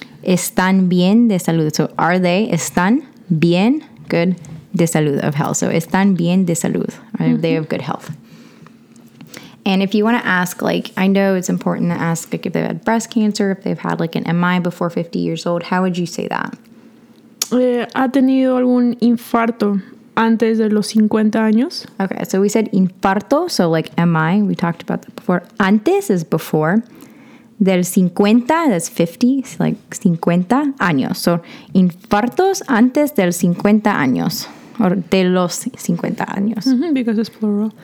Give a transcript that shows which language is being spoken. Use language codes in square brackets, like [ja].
[es] ¿Están bien de salud? [en] So, are they, [es] ¿están bien, [en] good, [es] de salud, [en] of health? So, [es] ¿están bien de salud? [en] Are mm-hmm. they of good health? And if you want to ask, like, I know it's important to ask, like, if they've had breast cancer, if they've had, like, an MI before 50 years old, how would you say that? [es] ¿Ha tenido algún infarto antes de los 50 años? [en] Okay, so we said infarto, so, like, MI, we talked about that before. Antes is before. Del 50, that's 50, like, 50 años. [es] So, infartos antes del 50 años. Or de los 50 años. [en] Mm-hmm, because it's plural.